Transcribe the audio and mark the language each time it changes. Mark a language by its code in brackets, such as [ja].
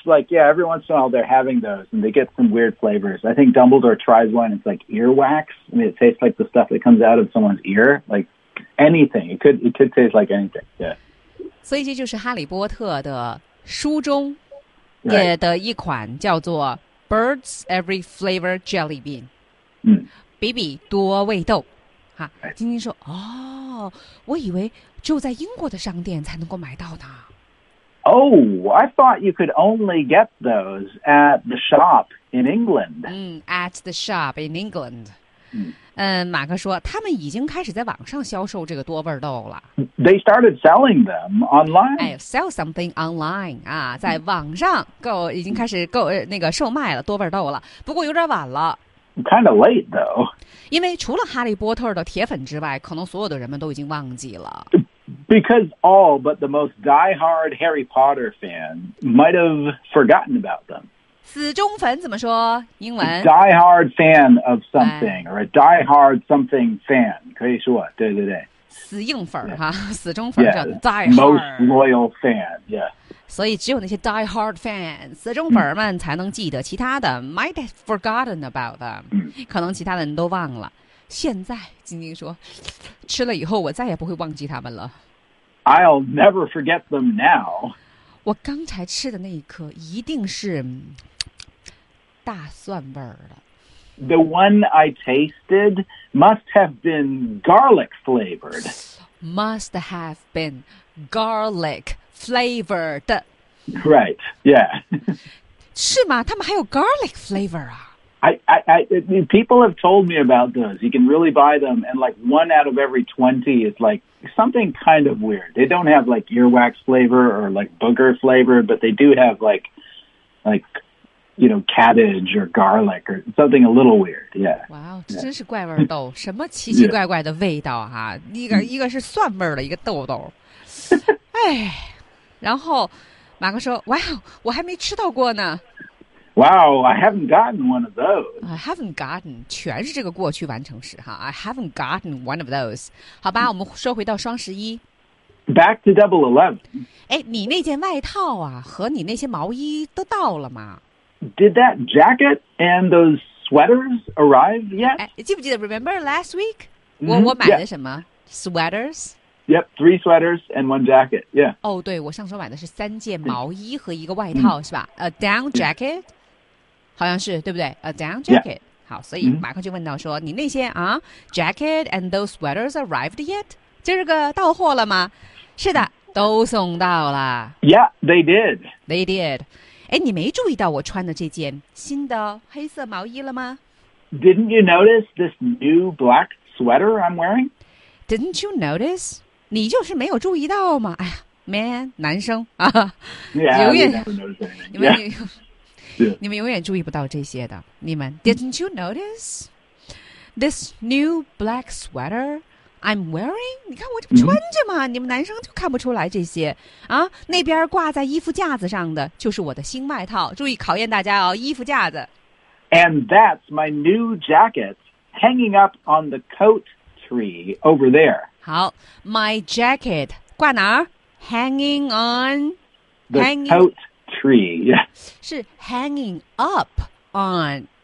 [en] Like yeah, every once in a while they're having those and they get some weird flavors. I think Dumbledore tries one. It's like earwax. I mean, it tastes like the stuff that comes out of someone's ear. Like anything, it could taste like anything. Yeah. [zh] 所以这就是哈利波特的书中也的一款叫做。 [en] Birds every flavor jelly bean. [zh] 嗯，比比多味豆，哈。晶晶说：“哦，我以为只有在英国的商店才能够买到呢。” [en] Oh, I thought you could only get those at the shop in England. 嗯 ，at the shop in England. [zh] 嗯，马克说他们已经开始在网上销售这个多味豆了。 [en] They started selling them online. Sell something online [zh] 啊，在网上购已经开始购那个售卖了多味豆了。不过有点晚了。 [en] Kind of late though. [zh] 因为除了哈利波特的铁粉之外，可能所有的人们都已经忘记了。 [en] Because all but the most diehard Harry Potter fan might have forgotten about them. [zh] 死忠粉怎么说英文 [en] ？Diehard fan of something、哎、or a diehard something fan， [zh] 可以说对对对。死硬粉、yeah. 哈，死忠粉叫 diehard。 [en] Yeah, most loyal fan， yeah。 [zh] 所以只有那些 diehard fan， 死忠粉们才能记得，其他的、 [en] might have forgotten about them，、 [zh] 可能其他的人都忘了。现在晶晶说，吃了以后我再也不会忘记他们了。 [en] I'll never forget them now。 [zh] 我刚才吃的那一颗一定是大蒜味儿的。 [en] The one I tasted must have been garlic flavored. Must have been garlic flavored. Right, yeah. [zh] 是吗？他们还有 garlic flavor 啊？ [en] I people have told me about those. You can really buy them, and like one out of every 20 is like something kind of weird. They don't have like earwax flavor or like booger flavor, but they do have like you know cabbage or garlic or something a little weird. Yeah. [zh] Wow, 这真是怪味豆，什么奇奇怪怪的味道哈、啊？一个是蒜味的，一个豆豆。哎，然后马哥说 ，Wow, 我还没吃到过呢。 [en] Wow, I haven't gotten one of those. I haven't gotten, [zh] 全是这个过去完成时哈 [en] I haven't gotten one of those. [zh] 好吧，我们说回到双十一。 [en] Back to Double Eleven. [zh] 哎，你那件外套啊，和你那些毛衣都到了吗 [en] ？Did that jacket and those sweaters arrive yet? [zh] 哎，记不记得 ？ [en] Remember last week? [zh] 我买的什么、yeah. ？Sweaters. [en] Yep, three sweaters and one jacket. Yeah. [zh] 哦，对，我上周买的是三件毛衣和一个外套，是吧 ？ [en] A down jacket. [zh] 好像是对不对 ？ [en] A down jacket、 yeah.。 [zh] 好，所以马克就问到说：“ mm-hmm. 你那些啊 ， [en] jacket and those sweaters arrived yet？ [zh] 今儿个到货了吗？” 是的，都送到了。 [en] Yeah, they did. They did. [zh] 哎，你没注意到我穿的这件新的黑色毛衣了吗 [en] ？Didn't you notice this new black sweater I'm wearing？ Didn't you notice？ [zh] 你就是没有注意到吗？哎呀， man 男生啊 [en] yeah, [zh] 永远 [en] never noticed anything. [zh] 你们永远注意不到这些的你们 [en] Didn't you notice this new black sweater I'm wearing [zh] 你看我这穿着嘛、mm-hmm. 你们男生就看不出来这些啊。那边挂在衣服架子上的就是我的新外套注意考验大家哦衣服架子 [en] And that's my new jacket hanging up on the coat tree over there [zh] 好 my jacket 挂哪儿 [en] hanging on the coat tree、yeah. 是 hanging up on